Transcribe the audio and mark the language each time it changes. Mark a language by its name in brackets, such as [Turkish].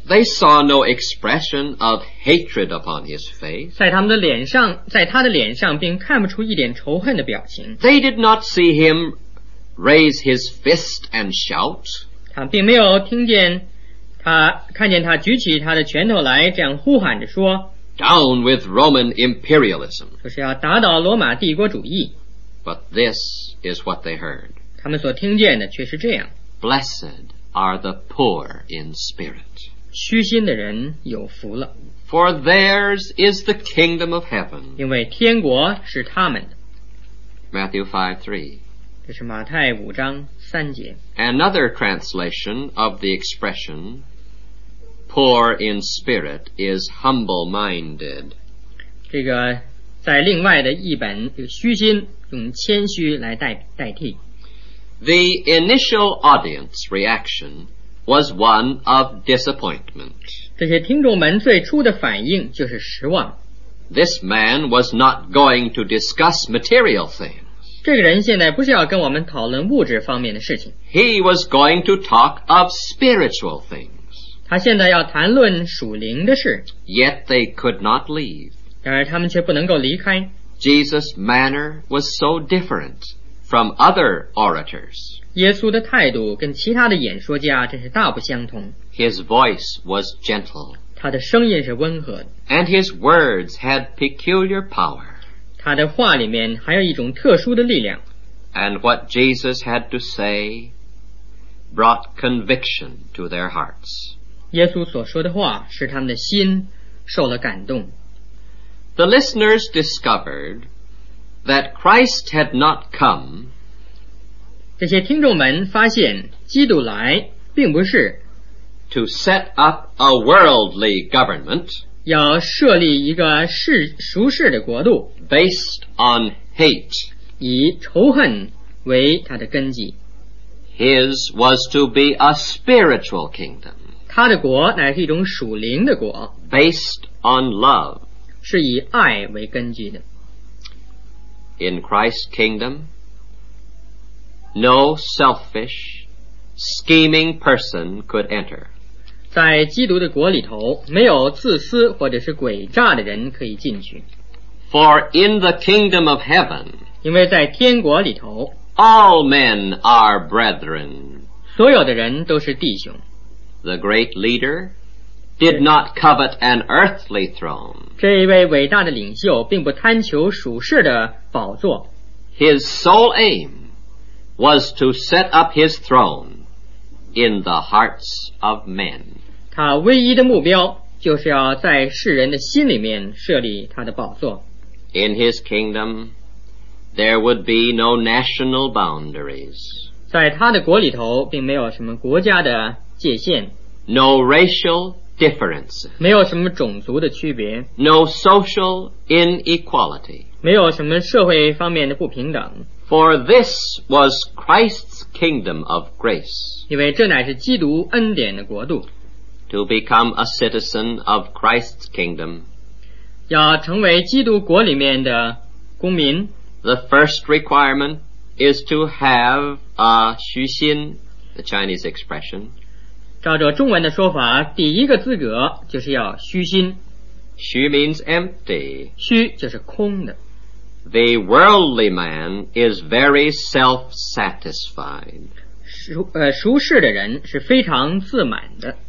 [English] They saw no expression of hatred upon his face. [Chinese] 在他们的脸上，在他的脸上并看不出一点仇恨的表情。 [English] They did not see him raise his fist and shout. [Chinese] 他并没有听见他看见他举起他的拳头来这样呼喊着说 [English] Down with Roman imperialism. [Chinese] 就是要打倒罗马帝国主义。 [English] But this is what they heard. [Chinese] 他们所听见的却是这样 [English] Blessed are the poor in spirit. [Chinese] 虚心的人有福了 [English] For theirs is the kingdom of heaven. [Chinese] 因为天国是他们的 [English] Matthew 5:3. [Chinese] 这是马太五章三节 [English] Another translation of the expression poor in spirit is humble-minded. [Chinese] 这个在另外的一本虚心用谦虚来 代替 [English] The initial audience reaction was one of disappointment. [Chinese] 这些听众们最初的反应就是失望。 [English] This man was not going to discuss material things. [Chinese] 这个人现在不是要跟我们讨论物质方面的事情。 [English] He was going to talk of spiritual things. [Chinese] 他现在要谈论属灵的事。 [English] Yet they could not leave. [Chinese] 然而他们却不能够离开。 [English] Jesus' manner was so different. From other orators. [Chinese] 耶稣的态度跟其他的演说家真是大不相同。 [English] His voice was gentle. [Chinese] 他的声音是温和的。 [English] And his words had peculiar power. [Chinese] 他的话里面还有一种特殊的力量。 [English] And what Jesus had to say brought conviction to their hearts. [Chinese] 耶稣所说的话使他们的心受了感动。 [English] The listeners discovered that Christ had not come [Chinese] 这些听众们发现基督来并不是 [English] to set up a worldly government [Chinese] 要设立一个属世的国度 [English] based on hate [Chinese] 以仇恨为他的根基 [English] His was to be a spiritual kingdom [Chinese] 他的国乃是一种属灵的国 [English] based on love [Chinese] 是以爱为根基的 [English] In Christ's kingdom, no selfish, scheming person could enter. [Chinese] 在基督的国里头，没有自私或者是诡诈的人可以进去。 [English] For in the kingdom of heaven, [Chinese] 因为在天国里头， [English] all men are brethren. [Chinese] 所有的人都是弟兄。 [English] The great leader did not covet an earthly throne. [Chinese] 这一位伟大的领袖并不贪求属世的宝座。 [English] His sole aim was to set up his throne in the hearts of men. [Chinese] 他唯一的目标就是要在世人的心里面设立他的宝座。 [English] In his kingdom, there would be no national boundaries. [Chinese] 在他的国里头并没有什么国家的界限。 [English] No racial difference. [Chinese] 没有什么种族的区别。 [English] No social inequality. [Chinese] 没有什么社会方面的不平等。 [English] For this was Christ's kingdom of grace. [Chinese] 因为这乃是基督恩典的国度。 [English] To become a citizen of Christ's kingdom. [Chinese] 要成为基督国里面的公民。 [English] The first requirement is to have a 虚心, the Chinese expression. [Chinese] 照着中文的说法第一个资格就是要虚心 [English] 虚 means empty [Chinese] 虚就是空的 [English] The worldly man is very self-satisfied [Chinese] 熟识的人是非常自满的。